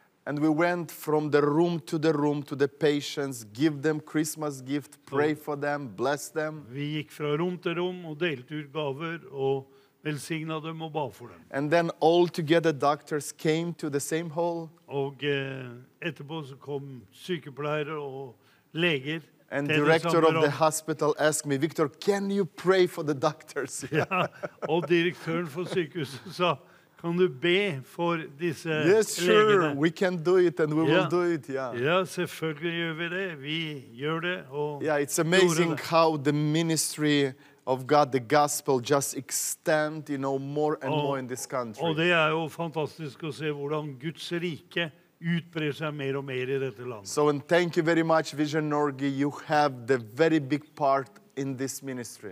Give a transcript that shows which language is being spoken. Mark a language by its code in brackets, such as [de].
[en] And we went from the room to the room to the patients, give them Christmas gift, pray for them, bless them. [no] Vi gikk fra rom til rom og delte ut gaver og velsignet dem og ba for dem. [en] And then all together doctors came to the same hall. [no] Og etterpå så kom sykepleiere og leger. [en] And the director of the hospital asked me, Victor, can you pray for the doctors? [no] Ja, og direktøren for sykehuset sa, kan du be for disse [en] yes, sure. [no] legene? [en] We can do it and we will do it, [no] Ja, selvfølgelig gjør vi det. Vi gjør det. [en] Yeah, it's amazing how the ministry of God, the gospel, just extend, you know, more and more in this country. [no] Og det jo fantastisk å se hvordan Guds rike utbrer seg mer og mer I dette landet. [en] So, and thank you very much, Vision Norge. You have the very big part in this ministry.